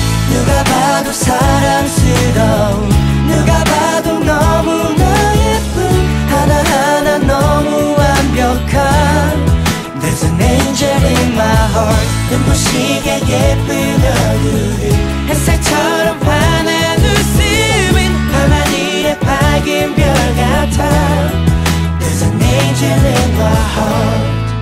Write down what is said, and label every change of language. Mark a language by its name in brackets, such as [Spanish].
[Korean] 누가 봐도 사랑스러운, 누가 봐도 너무나 예쁜, 하나하나 너무 완벽한. [English] There's an angel in my heart. [Korean] 눈부시게 예쁜 얼굴, 햇살처럼 환한 웃음은 밤하늘의 밝은 별 같아. [English] There's an angel in my heart.